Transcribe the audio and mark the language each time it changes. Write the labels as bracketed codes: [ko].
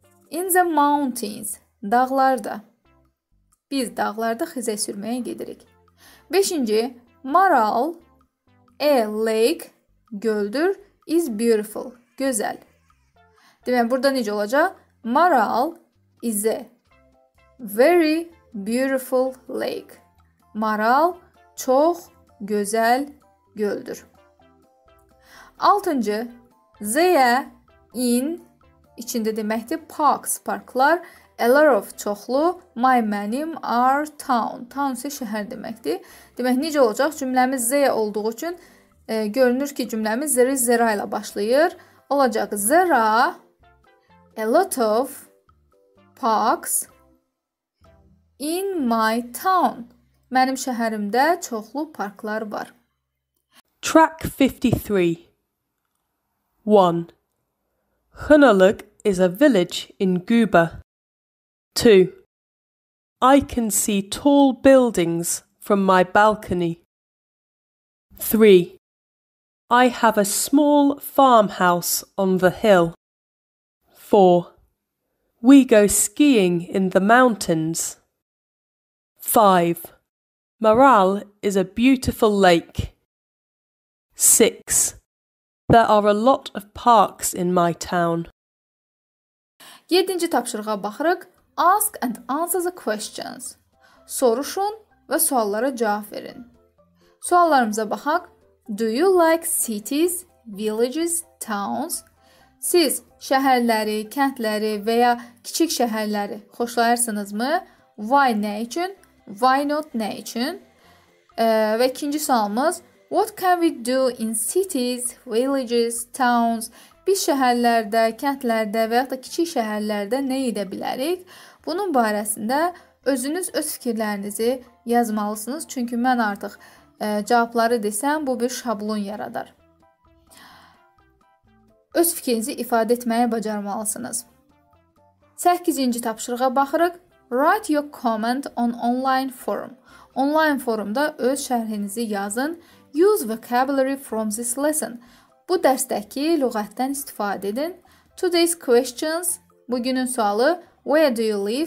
[en] In the mountains, [az] dağlarda. Biz dağlarda xizək sürməyə gedirik. Beşinci, maral. [en] A lake, [az] göldür, [en] is beautiful, [az] gözəl. Demək, burada necə olacaq? [en] Maral is a very beautiful lake. [az] Maral çox gözəl göldür. Altıncı, [en] they are in, [az] içində deməkdir, [en] parks, [az] parklar, [en] a lot of, [az] çoxlu, [en] my, [az] mənim, [en] our, town. [az] Town isə şəhər deməkdir. Demək, necə olacaq? Cümləmiz they olduğu üçün görünür ki, cümləmiz [en] there is there [az] ilə başlayır. Olacaq, [en] there are a lot of parks in my town. [az] Mənim şəhərimdə çoxlu parklar var. [en] Track 53. 1. Xınalıq is a village in Quba. 2. I can see tall buildings from my balcony. 3. I have a small farmhouse on the hill. 4. We go skiing in the mountains. 5. Maral is a beautiful lake. 6. There are a lot of parks in my town. [az] 7-ci tapşırığa baxırıq. [en] Ask and answer the questions. [az] Soruşun və suallara cavab verin. Suallarımıza baxaq. [en] Do you like cities, villages, towns? [az] Siz şəhərləri, kəndləri və ya kiçik şəhərləri xoşlayırsınızmı? [en] Why [az] nə üçün? [en] Why not [az] nə üçün? Və ikinci sualımız. [en] What can we do in cities, villages, towns? [az] Biz şəhərlərdə, kəndlərdə və yaxud da kiçik şəhərlərdə nə edə bilərik? Bunun barəsində özünüz öz fikirlərinizi yazmalısınız. Çünki mən artıq cavabları desəm, bu bir şablon yaradar. Öz fikrinizi ifadə etməyə bacarmalısınız. 8-ci tapşırığa baxırıq. [en] Write your comment on online forum. [az] Online forumda öz şərhinizi yazın. [en] Use vocabulary from this lesson. [az] Bu dərsdəki lüğətdən istifadə edin. [en] Today's questions. [az] Bugünün sualı: [en] Where do you live?